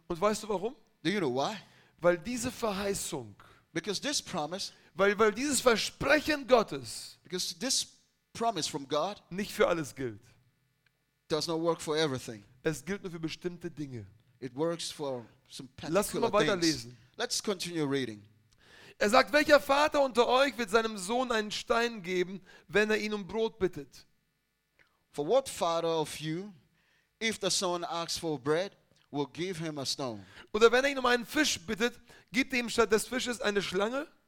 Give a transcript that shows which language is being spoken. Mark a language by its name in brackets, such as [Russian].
[German] Und weißt du warum? [English] Do you know why? [German] Weil diese Verheißung. [English] Because this promise. [German] Weil dieses Versprechen Gottes. [English] Because this promise from God. [German] Nicht für alles gilt. [English] Does not work for everything. [German] Es gilt nur für bestimmte Dinge. [English] It works for some particular [German] things. Lass uns mal weiterlesen. [English] Let's continue reading. [German] Er sagt, welcher Vater unter euch wird seinem Sohn einen Stein geben, wenn er ihn um Brot bittet? [English] For what father of you, if the son asks for bread, will give him a stone? [German] Oder wenn er ihn um einen Fisch bittet, gibt er ihm statt des Fisches eine Schlange?